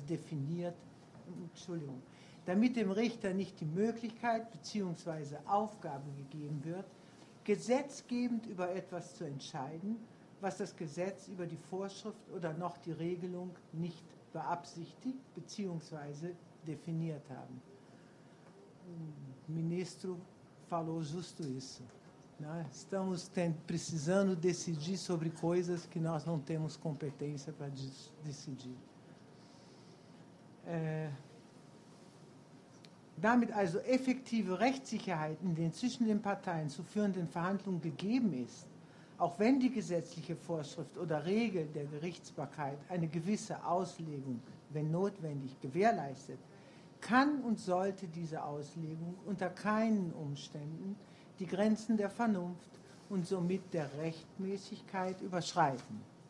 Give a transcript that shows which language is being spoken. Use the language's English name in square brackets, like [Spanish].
[German] definiert, Entschuldigung, damit dem Richter nicht die Möglichkeit bzw. Aufgabe gegeben wird, gesetzgebend über etwas zu entscheiden, was das Gesetz über die Vorschrift oder noch die Regelung nicht beabsichtigt bzw. definiert haben. [Portuguese] Ministro falou justo isso. Né? Estamos precisando decidir sobre coisas que nós não temos competência para decidir. [German] Damit also effektive Rechtssicherheit in den zwischen den Parteien zu führenden Verhandlungen gegeben ist, auch wenn die gesetzliche Vorschrift oder Regel der Gerichtsbarkeit eine gewisse Auslegung, wenn notwendig, gewährleistet, kann und sollte diese Auslegung unter keinen Umständen die Grenzen der Vernunft und somit der Rechtmäßigkeit überschreiten.